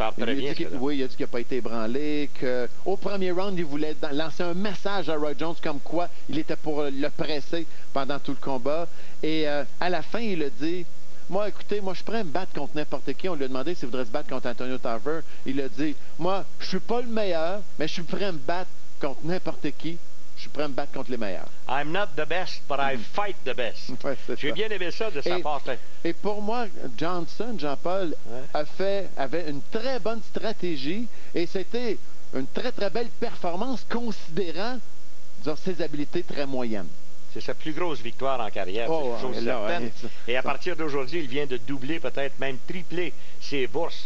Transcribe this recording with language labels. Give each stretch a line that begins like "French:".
French: Il a dit qu'il n'a pas été ébranlé, qu'au premier round, il voulait lancer un message à Roy Jones comme quoi il était pour le presser pendant tout le combat. Et à la fin, il a dit, moi, écoutez, moi, je suis prêt à me battre contre n'importe qui. On lui a demandé s'il voudrait se battre contre Antonio Tarver. Il a dit, moi, je suis pas le meilleur, mais je suis prêt à me battre contre n'importe qui. Je suis prêt à me battre contre les meilleurs.
English: I'm not the best, but I fight the best.
French: Ouais, j'ai bien aimé ça de sa part. Et pour moi, Johnson, Jean-Paul, avait une très bonne stratégie et c'était une très, très belle performance considérant disons, ses habiletés très moyennes. C'est sa plus grosse victoire en carrière, Et à partir d'aujourd'hui, il vient de doubler, peut-être même tripler ses bourses.